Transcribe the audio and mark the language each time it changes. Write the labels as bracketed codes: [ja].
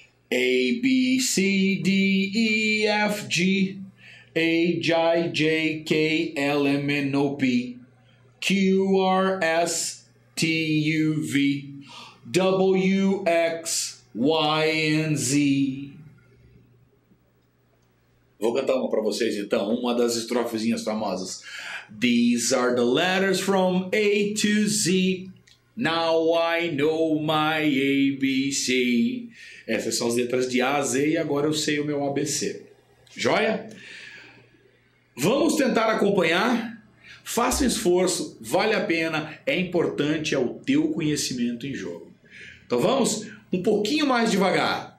[en] A, B, C, D, E, F, G, H, I, J, K, L, M, N, O, P, Q, R, S, T, U, V, W, X, Y, and Z. [pt] Vou cantar uma para vocês então, uma das estrofezinhas famosas. [en] These are the letters from A to Z. Now I know my ABC. [pt] Essas são as letras de A a Z e agora eu sei o meu ABC. Joia? Vamos tentar acompanhar? Faça esforço, vale a pena, é importante, é o teu conhecimento em jogo. Então vamos um pouquinho mais devagar.